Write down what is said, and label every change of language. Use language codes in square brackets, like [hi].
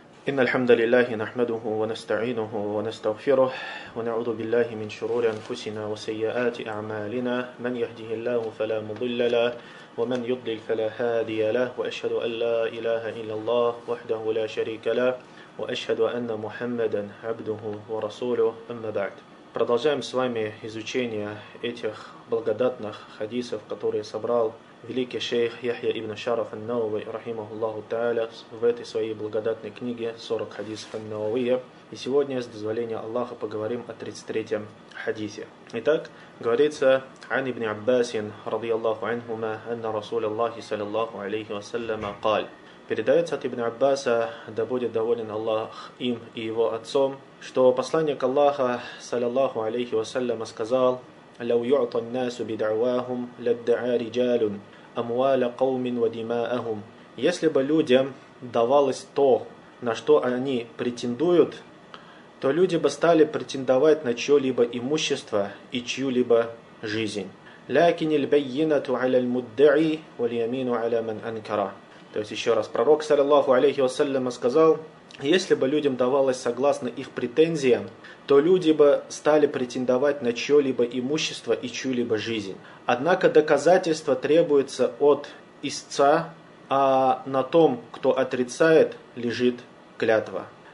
[ar] إن الحمد لله نحمده ونستعينه ونستغفره ونعوذ بالله من شرور أنفسنا وسيئات أعمالنا من يهده الله فلا مضل له ومن يضلل فلا هادي له وأشهد أن لا إله إلا الله وحده لا شريك له وأشهد أن محمدا عبده ورسوله أما بعد. [ru] Продолжаем с вами изучение этих благодатных хадисов, которые собрал великий шейх Яхья ибн Шараф ан-Науви, рахимахуллаху та'аля, в этой своей благодатной книге «40 хадисов ан-Науви». И сегодня, с дозволения Аллаха, поговорим о 33-м хадисе. Итак, говорится «Ан ибн Аббасин, радиаллаху анхума, анна Расул Аллахи, саллиллаху алейхи вассаляма, кал». Передается от ибн Аббаса, да будет доволен Аллах им и его отцом, что посланник Аллаха, саллиллаху алейхи вассаляма, сказал: [ar] لو يعطى الناس بدعواهم لادعى رجال أموال قوم ودماءهم. [ru] Если бы людям давалось то, на что они претендуют, то люди бы стали претендовать на чьё-либо имущество и чью-либо жизнь. [ar] لكن البينة على المدعي واليمين على من أنكره. [ru] То есть еще раз, пророк саллиллаху алейхи вассаляма сказал: если бы людям давалось согласно их претензиям, то люди бы стали претендовать на чьё-либо имущество и чью-либо жизнь. Однако доказательство требуется от истца, а на том, кто отрицает, лежит клятва.